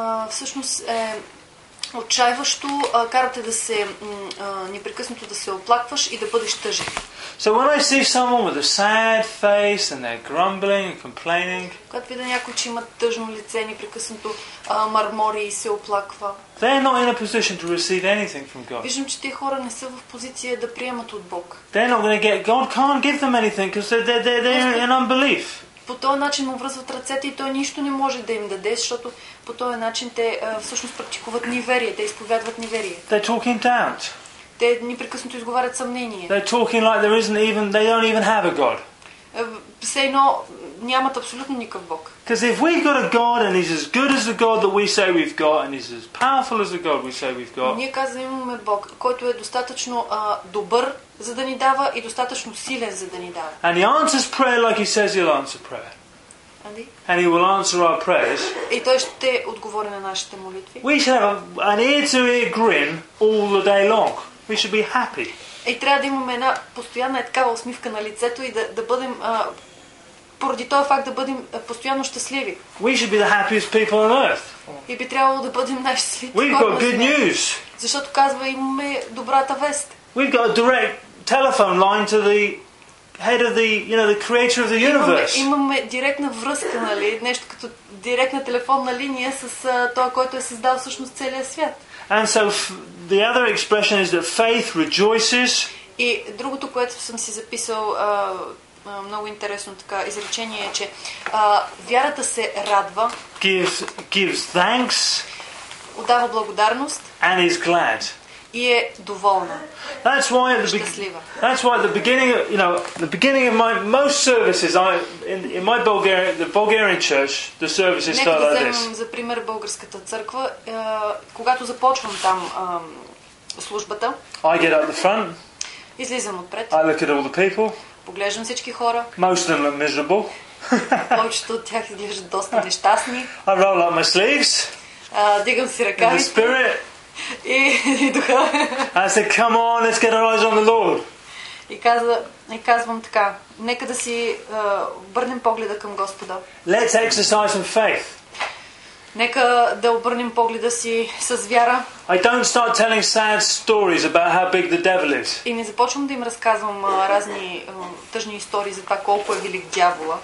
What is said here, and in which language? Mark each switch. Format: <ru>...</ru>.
<bg>Всъщност е отчаиващо, карате да се непрекъснато да се оплакваш и да бъдеш тъжен.</bg> <en>So when I see someone with a sad face and they're grumbling and complaining,</en> <bg>когато видя някой, че има тъжно лице, непрекъснато мърмори и се оплаква,</bg> <en>they're not in a position to receive anything from God.</en> <bg>Виждам, че тези хора не са в позиция да приемат от Бог.</bg> <en>They're not going to get, God can't give them anything because they're in unbelief.</en> <bg>По този начин му връзват ръцете и той нищо не може да им даде, защото по този начин те всъщност практикуват неверие, те изповядват неверие.</bg> <en>They're talking doubt.</en> <bg>Те непрекъснато изговарят съмнение.</bg> <en>They're talking like there isn't even, they don't even have a God.</en> <bg>Все едно нямат абсолютно никакъв Бог.</bg> <en>Because if we've got a God and he's as good as the God that we say we've got and he's as powerful as the God we say we've got.</en> <bg>Ние казваме, имаме Бог, който е достатъчно добър, за да ни дава, и достатъчно силен, за да ни дава.</bg> <en>And he answers prayer like he says he'll answer prayer. And he will answer our prayers.</en> <bg>И той ще отговори на нашите молитви.</bg> <en>We should have an ear-to-ear grin all the day long. We should be happy.</en> <bg>И трябва да имаме една постоянна такава усмивка на лицето и да бъдем поради този факт да бъдем постоянно щастливи.</bg> <en>We should be the happiest people on earth.</en> <bg>И би трябвало да бъдем най-щастливите.</bg> <en>We've got good news.</en> <bg>Защото казва, имаме добрата вест.</bg> <en>We've got a direct telephone line to the head of the, you know, the creator of the universe.</en> <bg>Имаме директна връзка, нали, нещо като директна телефонна линия с това, който е създал всъщност целия свят.</bg> <en>And so the other expression is that faith rejoices.</en> <bg>И другото, което съм си записал много интересно така изречение е, че вярата се радва.</bg> <en>Gives thanks.</en> <bg>Отдава благодарност.</bg> <en>And is glad.</en> <bg>И е доволна.</bg> <en>That's why at the</en> <bg>щастлива.</bg> <en>That's why at the beginning of, you know, the beginning of my most services, in my Bulgarian, the Bulgarian church, the services start like this.</en> <bg>Нека да вземем за пример българската църква, когато започвам там службата.</bg> <en>I get up the front.</en> <bg>Излизам отпред.</bg> <en>I look at all the people.</en> <bg>Поглеждам всички хора.</bg> <en>Most of them are miserable.</en> <bg>Повечето от тях изглеждат доста нещастни.</bg> <en>I roll up my sleeves.</en> <bg>Дигам си ръкавите.</bg> <en>In the spirit.</en> <bg>И духа.</bg> <en>I said, come on, let's get our eyes on the Lord.</en> <bg>И казвам така, нека да си обърнем погледа към Господа.</bg> <en>Let's exercise some faith.</en> <bg>Нека да обърнем погледа си с вяра.</bg> <en>I don't start telling sad stories about how big the devil is.</en> <bg>И не започвам да им разказвам разни тъжни истории за това колко е велик дявола.</bg>